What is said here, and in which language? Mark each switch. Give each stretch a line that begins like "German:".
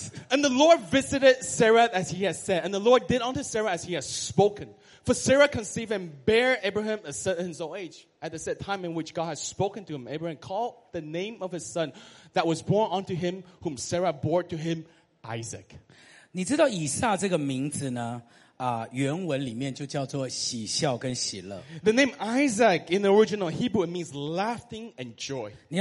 English: And the Lord visited Sarah as he has said. And the Lord did unto Sarah as he has spoken. For Sarah conceived and bare Abraham a son in his old age. At the set time in which God has spoken to him, Abraham called the name of his son that was born unto him, whom Sarah bore to him, Isaac.
Chinese: 你知道以撒这个名字呢?原文里面就叫做喜笑跟喜乐。
English: The name Isaac in the original Hebrew means laughing and joy.